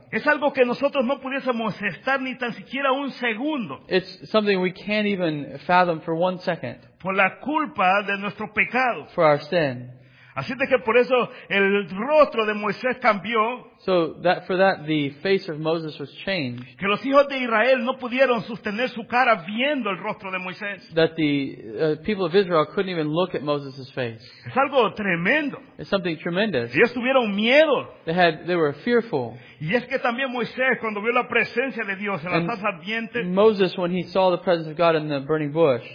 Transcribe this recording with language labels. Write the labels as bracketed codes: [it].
[es] Es algo que nosotros no pudiésemos estar ni tan siquiera un segundo. [en] It's something we can't even fathom for one second. [es] Por la culpa de nuestro pecado. [en] For our sin. [es] Así de que por eso el rostro de Moisés cambió. [en] So that for that the face of Moses was changed. [es] Que los hijos de Israel no pudieron sostener su cara viendo el rostro de Moisés. [en] That the people of Israel couldn't even look at Moses' face. [es] Es algo tremendo. [en] It's something tremendous. [es] Ellos tuvieron miedo. [en] They were fearful. [es] Y es que también Moisés cuando vio la presencia de Dios en la zarza ardiente. [en] Moses, when he saw the presence of God in the burning bush.